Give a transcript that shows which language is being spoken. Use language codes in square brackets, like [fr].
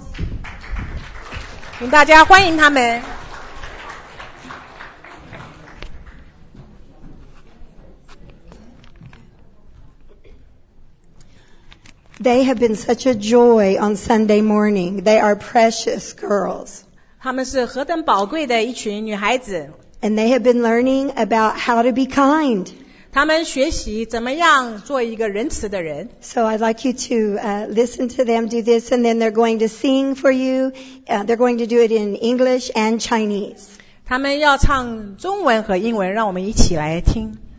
[en] No, they'll go right there. Okay, girls, right here. Can everyone welcome our girls? They have been such a joy on Sunday morning. They are precious girls. [zh] 他们是何等宝贵的一群女孩子。 [en] And they have been learning about how to be kind. [zh] 他们学习怎么样做一个仁慈的人。 [en] So I'd like you to listen to them do this, and then they're going to sing for you. They're going to do it in English and Chinese. [zh] 他们要唱中文和英文，让我们一起来听。